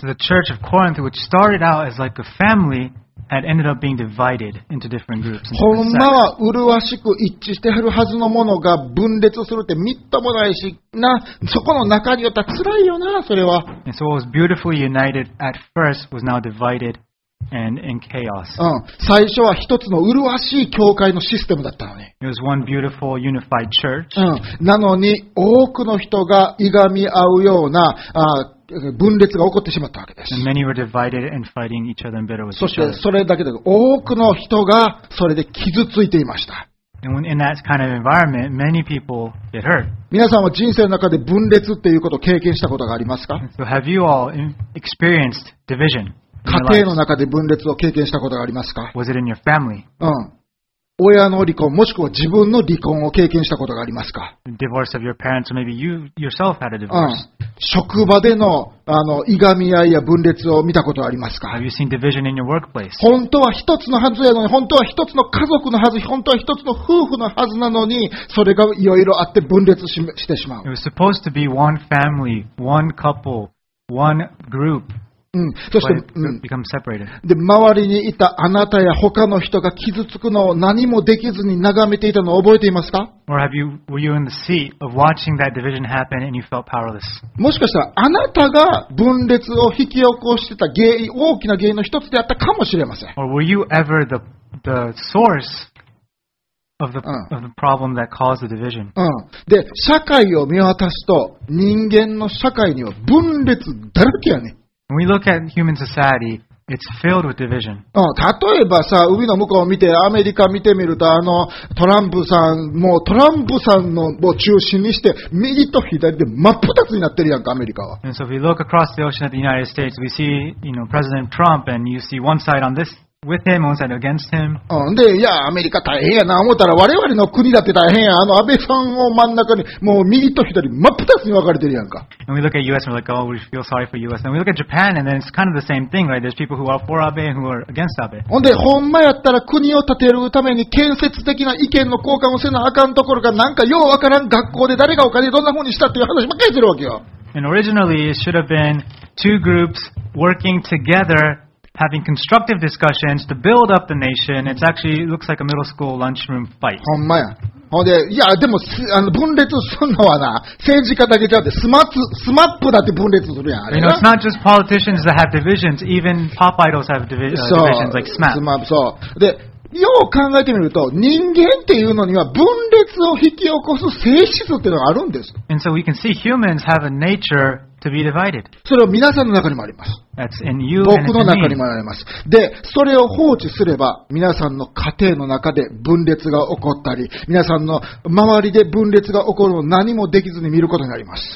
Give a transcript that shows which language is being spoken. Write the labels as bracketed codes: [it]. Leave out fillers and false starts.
[en] The church of Corinth, which started out as like a family, had ended up being divided into different groups. [ja] ほんまは麗しく一致してはるはずのものが分裂するってみっともないしな、そこの中にはたくつらいよな、それは。 [en] And so what was beautifully united at first was now divided and in chaos. [ja] うん、最初は一つの麗しい教会のシステムだったのに。 [en] It was one beautiful unified church. [ja] うん、なのに多くの人がいがみ合うような、分裂が起こってしまったわけです。 [en] And many were divided and fighting each other and bitter with each other. [ja] そしてそれだけで多くの人がそれで傷ついていました。 [en] And in that kind of environment, many people get hurt. [ja] 皆さんは人生の中で分裂っていうことを経験したことがありますか？ [en] So have you all experienced division? [ja] 家庭の中で分裂を経験したことがありますか？ [en] Was it in your family? うん。 [ja] 親の離婚もしくは自分の離婚を経験したことがありますか？ [en] Divorce of your parents, or maybe you yourself had a divorce. うん。 [ja] 職場での、いがみ合いや分裂を見たことはありますか？ [en] Have you seen division in your workplace? [ja] 本当は一つのはずやのに、本当は一つの家族のはず、本当は一つの夫婦のはずなのに、それがいろいろあって分裂 してしまう。 [en] It was supposed to be one family, one couple, one group. [ja] うん、そして、で周りにいたあなたや他の人が傷つくのを何もできずに眺めていたのを覚えていますか？ [en] Or have you, were you in the seat of watching that division happen and you felt powerless? [ja] もしかしたらあなたが分裂を引き起こしてた原因、大きな原因の一つであったかもしれません。 [en] Or were you ever the source of the problem that caused the division? うん。 [ja] で社会を見渡すと人間の社会には分裂だらけやね。 [en] When we look at human society, it's filled with division. [ja] 例えばさ、海の向こうを見て、アメリカ見てみると、トランプさん、もうトランプさんのを中心にして、右と左で真っ二つになってるやんか、アメリカは。 [en] And so if we look across the ocean at the United States, we see, you know, President Trump, and you see one side on this, with him, one side against him. [ja] で、いや、アメリカ大変やな、思ったら、我々の国だって大変や、安倍さんを真ん中に、もう右と左、真っ二つに分かれてるやんか。 [en] And we look at US and we're like, oh, we feel sorry for US. And we look at Japan and then it's kind of the same thing, right? There's people who are for Abe and who are against Abe. [ja] ほんで、ほんまやったら国を建てるために建設的な意見の交換をせなあかんところが、なんかようわからん学校で誰がお金どんな風にしたっていう話ばっかりするわけよ。 [en] And originally it should have been two groups working together, having constructive discussions to build up the nation. It's actually, it looks like a middle school lunchroom fight. [ja] ほんまや。で、いや、でも、分裂するのはな、政治家だけじゃなくて、スマップだって分裂するやん。 [en] You know, it's not just politicians that have divisions, even pop idols have divisions like SMAP. [ja] スマップ、そう。で、よう考えてみると、人間っていうのには分裂を引き起こす性質っていうのがあるんです。 [en] And so we can see humans have a nature to be divided. [ja] それは皆さんの中にもあります。 [en] That's in you [ja] 僕の中にもあります。で、それを放置すれば、皆さんの家庭の中で分裂が起こったり、皆さんの周りで分裂が起こるのを何もできずに見ることになります。